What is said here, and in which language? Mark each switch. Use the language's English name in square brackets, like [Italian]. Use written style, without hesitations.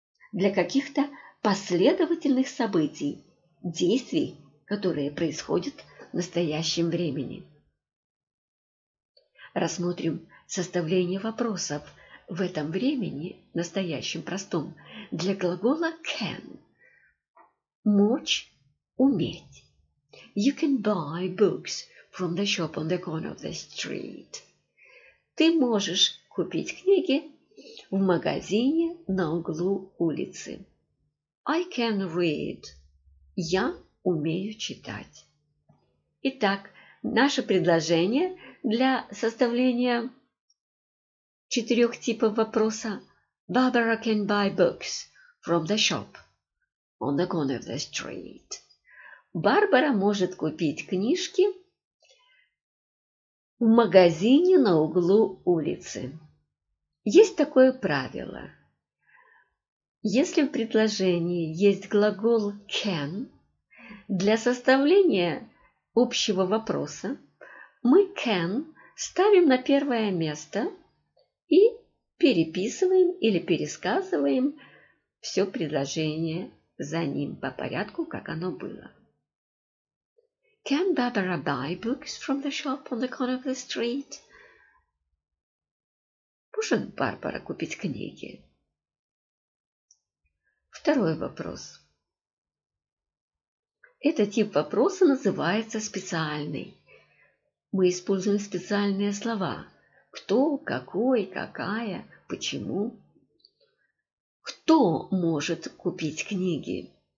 [Russian] Для каких-то последовательных событий, действий, которые происходят в настоящем времени. Рассмотрим составление вопросов в этом времени, настоящем простом, для глагола can. Мочь – уметь. [English] You can buy books from the shop on the corner of the street. [Russian] Ты можешь купить книги в магазине на углу улицы. [English] I can read. [Russian] Я умею читать. Итак, наше предложение для составления четырех типов вопроса. [English] Barbara can buy books from the shop on the corner of the street. [Russian] Барбара может купить книжки в магазине на углу улицы. Есть такое правило. Если в предложении есть глагол can, для составления общего вопроса мы can ставим на первое место и переписываем или пересказываем все предложение за ним по порядку, как оно было. [English] Can Barbara buy books from the shop on the corner of the street? [Russian] Может Барбара купить книги? Второй вопрос. Этот тип вопроса называется специальный. Мы используем специальные слова. Кто, какой, какая, почему. Кто может купить книги?